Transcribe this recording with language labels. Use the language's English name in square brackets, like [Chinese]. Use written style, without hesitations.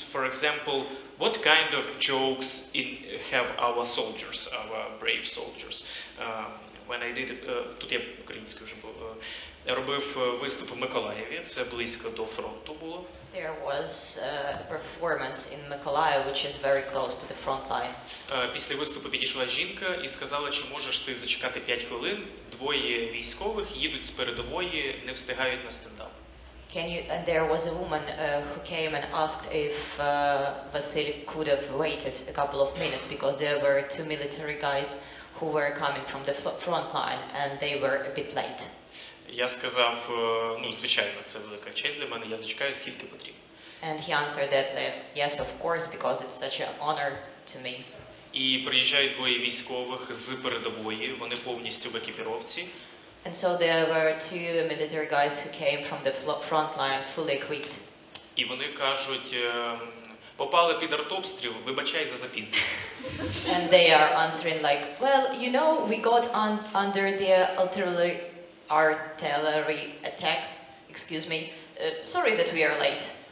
[English] For example, what kind of jokes have our soldiers, our brave soldiers? When I did, [Ukrainian] тут я українською вже був. Робив виступ в Миколаєві. Це близько до фронту було. [English] There was a performance in Mykolaiv, which is very close to the front line. [Ukrainian] Після виступу підійшла жінка і сказала, чи можеш ти зачекати 5 хвилин. Двоє військових їдуть з передової, не встигають на стендап. [English] Can you, and there was a woman who came and asked if Vasily could have waited a couple of minutes, because there were two military guys who were coming from the front line and they were a bit late. [Ukrainian] Я сказав, ну, звичайно, це велика честь для мене, я зачекаю, скільки потрібно. [English] And he answered that yes, of course, because it's such an honor to me. [Ukrainian] І приїжджають двоє військових з передової, вони повністю в екіпіровці. [English] And so there were two military guys who came from the front line fully equipped. [Ukrainian] І вони кажуть, попали під артобстріл, вибачай за запізнення. [English] And they are answering like, well, you know, we got under the artillery. Artillery attack, excuse me, sorry that we are late.